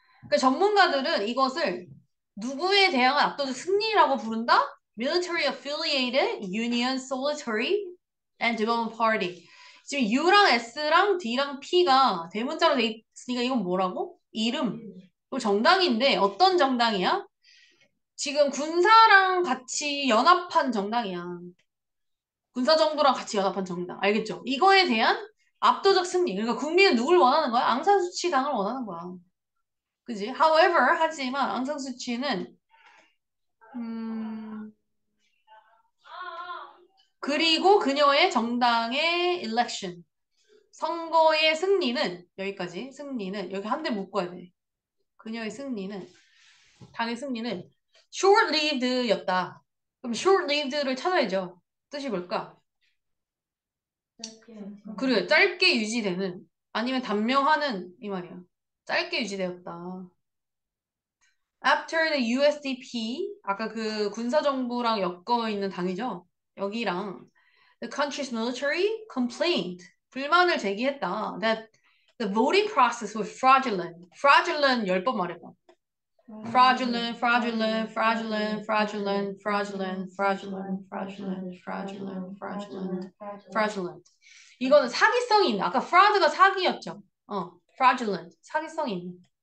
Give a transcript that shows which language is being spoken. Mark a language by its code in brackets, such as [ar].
[ko] 그 전문가들은 이것을 누구에 대한 압도적 승리라고 부른다? [en] Military affiliated union solitary and development party. [ko] 지금 U랑 S랑 D랑 P가 대문자로 돼 있으니까 이건 뭐라고? 이름. 그리고 정당인데 어떤 정당이야? 지금 군사랑 같이 연합한 정당이야. 군사정부랑 같이 연합한 정당. 알겠죠? 이거에 대한 압도적 승리. 그러니까 국민은 누굴 원하는 거야? 앙상수치 당을 원하는 거야. 그지? [en] However, [ko] 하지만 앙상수치는, 그리고 그녀의 정당의 election. 선거의 승리는, 여기까지. 승리는, 여기 한대 묶어야 돼. 그녀의 승리는, 당의 승리는, [en] short-lived [ko] 였다. 그럼 short-lived를 찾아야죠. 뜻이 뭘까? 그래, 짧게 유지되는 아니면 단명하는 이 말이야. 짧게 유지되었다. [en] After the USDP, [ko] 아까 그 군사정부랑 엮어 있는 당이죠. 여기랑 [en] the country's military complained [ko] 불만을 제기했다. [en] That the voting process was fraudulent. [ko] Fraudulent 열번 말해봐. [en] Fraudulent, fraudulent, fraudulent, fraudulent, fraudulent, fraudulent, fraudulent, fraudulent, fraudulent, fraudulent. [ko] 이거는 사기성이 있는, 아까 fraud가 사기였죠. fraudulent, 사기성이 있는.